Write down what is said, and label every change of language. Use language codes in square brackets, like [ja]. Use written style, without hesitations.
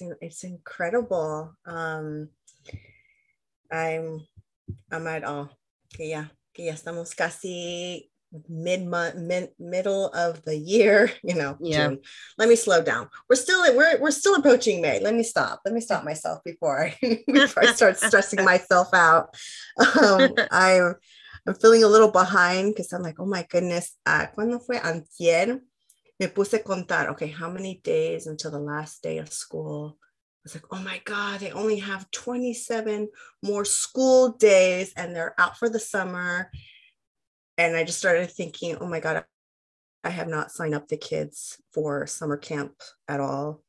[en] It's incredible. I'm at all. Okay, yeah. Okay, yeah, [es] estamos casi [en] middle of the year, you know. Yeah. June. Let me slow down. We're still approaching May. Let me stop myself before I start stressing myself out. I'm feeling a little behind because I'm like, oh my goodness, [es] ¿cuándo fue antier? Me puse a contar, [en] okay, how many days until the last day of school? I was like, oh my God, they only have 27 more school days and they're out for the summer. And I just started thinking, oh my God, I have not signed up the kids for summer camp at all.